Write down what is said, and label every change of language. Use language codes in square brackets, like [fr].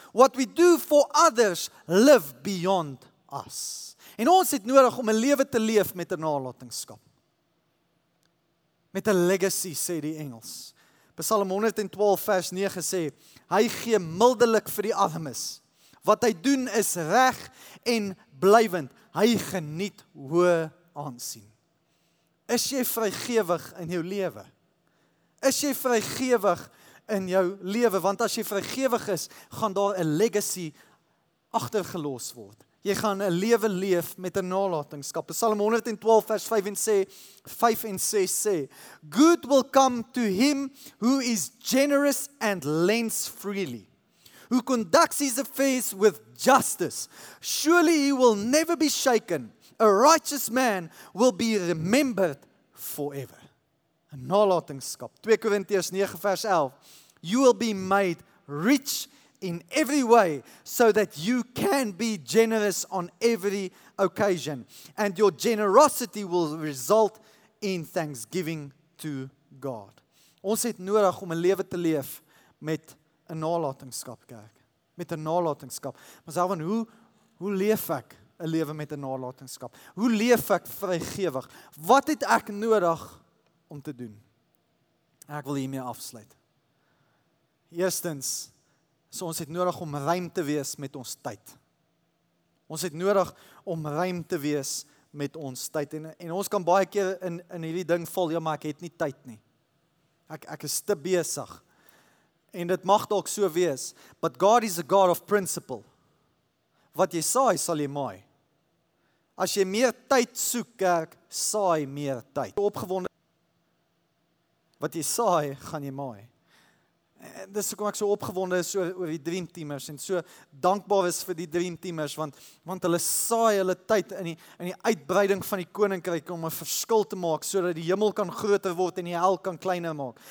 [en] What we do for others live beyond us. [af] En ons het nodig om 'n lewe te leef met 'n nalatenskap. Met 'n legacy, sê die Engels. Psalm 112 vers 9 sê, hy gee mildelik vir die armes. Wat hy doen is reg en blywend. Hy geniet hoë aansien. Is jy vrygewig in jou lewe? Is jy vrygewig in jou lewe? Want as jy vrygewig is, gaan daar 'n legacy agtergelos word. Jy gaan 'n lewe leef met 'n nalatenskap. Psalm 112 vers 5 en 6 sê, [en] good will come to him who is generous and lends freely, who conducts his affairs with justice. Surely he will never be shaken. A righteous man will be remembered forever. [af] 'N nalatenskap. 2 Korintiërs 9 vers 11. [en] You will be made rich in every way, so that you can be generous on every occasion. And your generosity will result in thanksgiving to God. [af] Ons het nodig om 'n lewe te leef met 'n nalatenskap, kerk. Met 'n nalatenskap. Maar self, hoe leef ek 'n lewe met 'n nalatenskap? Hoe leef ek vrygewig? Wat het ek nodig om te doen? Ek wil hiermee afsluit. Eerstens, so ons het nodig om ruim te wees met ons tyd. Ons het nodig om ruim te wees met ons tyd. En ons kan baie keer in hierdie ding val, ja, maar ek het nie tyd nie. Ek is te besig. En dit mag dalk so wees. [en] But God is a God of principle. [af] Wat jy saai, sal jy maai. As jy meer tyd soek, kerk, saai meer tyd. Opgewonde, wat jy saai, gaan jy maai. En dis hoekom ek so opgewonde is oor die dreamteamers en so dankbaar is vir die dreamteamers, want hulle saai hulle tyd in die uitbreiding van die koninkryk om 'n verskil te maak sodat die hemel kan groter word en die hel kan kleiner maak.